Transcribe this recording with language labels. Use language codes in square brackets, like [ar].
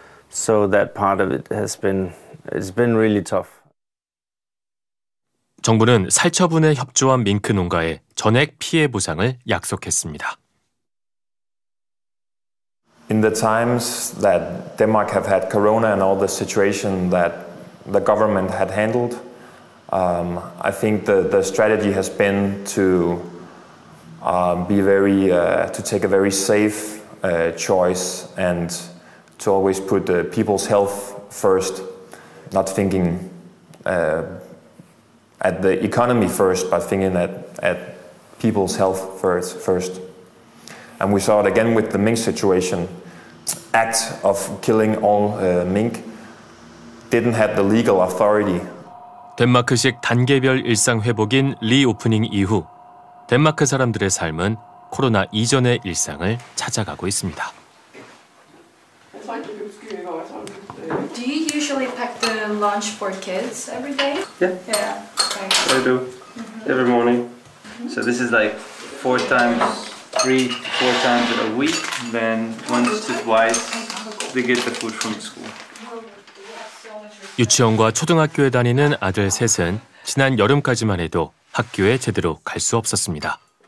[en] So that part of it has been, it's been really tough. [ko] 정부는 살처분에 협조한 밍크 농가에 전액 피해 보상을 약속했습니다. [en] In the times that Denmark have had corona and all the situation that the government had handled, I think the strategy has been to be very to take a very safe choice and to always put the people's health first, not thinking at the economy first, but thinking at people's health first. And we saw it again with the mink situation. Act of killing all mink didn't have the legal authority. [ko] 덴마크식 단계별 일상 회복인 리오프닝 이후 덴마크 사람들의 삶은 코로나 이전의 일상을 찾아가고 있습니다. [en] Do you usually pack the lunch for kids every day? Yeah. Okay. I do. Mm-hmm. Every morning. Mm-hmm. So this is like three to four times a week. Then once to twice, they get the food from school. [ko] 유치원과 초등학교에 다니는 아들 셋은 지난 여름까지만 해도 학교에 제대로 갈 수 없었습니다.